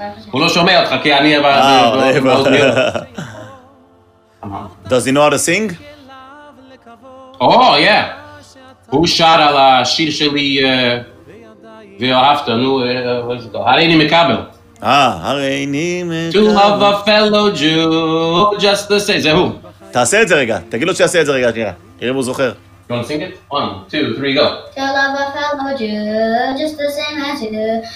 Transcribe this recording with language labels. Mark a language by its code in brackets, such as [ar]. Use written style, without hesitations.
[he] הוא לא שומע אותך, כי אני אבא... [en] Does he know how to sing? Oh, yeah. [he] הוא שר על השיר שלי ואהבת, נו, הרייני מקבל. הרייני מקבל. [en] To love a fellow Jew, just to say, [he] זה הוא. תעשה את זה רגע, תגיד לו שיעשה את זה רגע, תראה. תראה אם הוא זוכר. [en] You want to sing it? 1, 2, 3, go. To love a fellow Jew, just the same as you do,